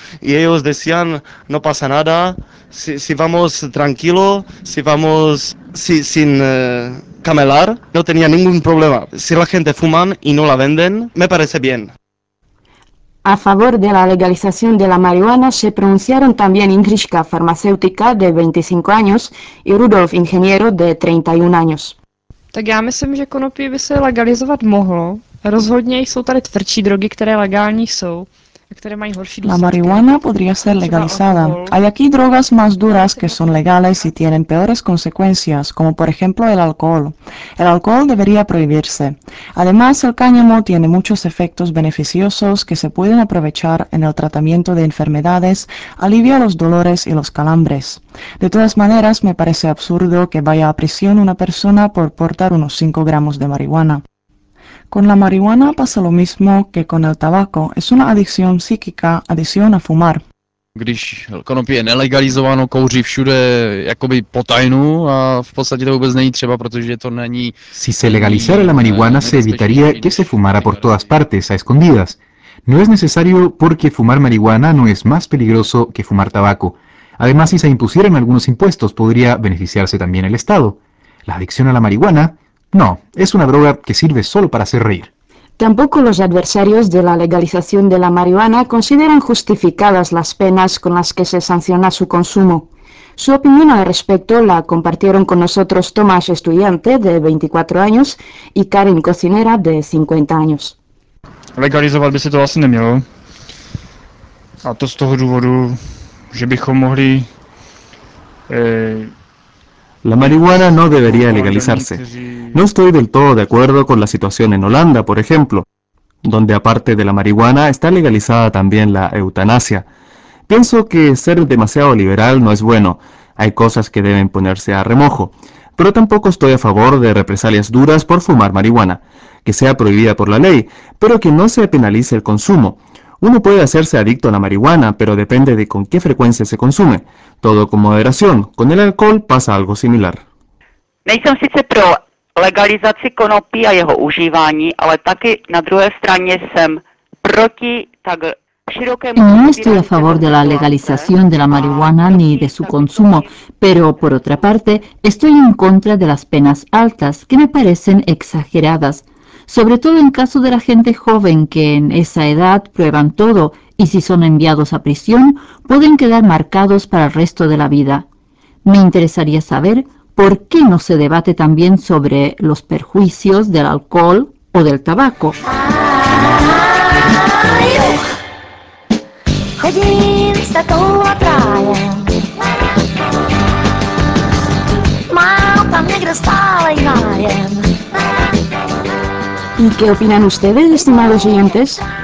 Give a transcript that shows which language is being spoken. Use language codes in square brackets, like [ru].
[es] Y ellos decían, no pasa nada, si vamos tranquilo, si vamos sin camelar, no tenía ningún problema. Si la gente fuma y no la venden, me parece bien. A favor de la legalización de la marihuana se pronunciaron también Ingrishka, farmacéutica de 25 años, y Rudolf, ingeniero de 31 años. [cs] Tak já myslím, že konopí by se legalizovat mohlo. Rozhodně jsou tady tvrdší drogy, které legální jsou. [es] La marihuana podría ser legalizada. Hay aquí drogas más duras que son legales y tienen peores consecuencias, como por ejemplo el alcohol. El alcohol debería prohibirse. Además, el cáñamo tiene muchos efectos beneficiosos que se pueden aprovechar en el tratamiento de enfermedades, alivia los dolores y los calambres. De todas maneras, me parece absurdo que vaya a prisión una persona por portar unos 5 gramos de marihuana. Con la marihuana pasa lo mismo que con el tabaco. Es una adicción psíquica, adicción a fumar. [cs] Když konopí je nelegalizováno, kouří všude jakoby potajnu a v podstatě to vůbec není třeba, protože to není... [es] Si se legalizara la marihuana, se evitaría que se fumara por todas partes, a escondidas. No es necesario porque fumar marihuana no es más peligroso que fumar tabaco. Además, si se impusieran algunos impuestos, podría beneficiarse también el Estado. La adicción a la marihuana... No, es una droga que sirve solo para hacer reír. Tampoco los adversarios de la legalización de la marihuana consideran justificadas las penas con las que se sanciona su consumo. Su opinión al respecto la compartieron con nosotros Tomás, estudiante de 24 años, y Karin, cocinera de 50 años. [cs] Legalizovat by se to asi nemělo. A to z toho důvodu, že bychom mohli... [es] La marihuana no debería legalizarse. No estoy del todo de acuerdo con la situación en Holanda, por ejemplo, donde aparte de la marihuana está legalizada también la eutanasia. Pienso que ser demasiado liberal no es bueno. Hay cosas que deben ponerse a remojo. Pero tampoco estoy a favor de represalias duras por fumar marihuana, que sea prohibida por la ley, pero que no se penalice el consumo. Uno puede hacerse adicto a la marihuana, pero depende de con qué frecuencia se consume. Todo con moderación. Con el alcohol pasa algo similar. [cs] Nejsem sice pro legalizaci konopí a jeho užívání, ale taky na druhé straně jsem proti tak [es] No estoy a favor de la legalización de la marihuana ni de su consumo, pero por otra parte estoy en contra de las penas altas, que me parecen exageradas, sobre todo en caso de la gente joven que en esa edad prueban todo y si son enviados a prisión pueden quedar marcados para el resto de la vida. Me interesaría saber por qué no se debate también sobre los perjuicios del alcohol o del tabaco. [cs] Chodím s tatou a trájem. Mám tam někde stálej nájem. [es] ¿Y qué opinan ustedes, estimados oyentes?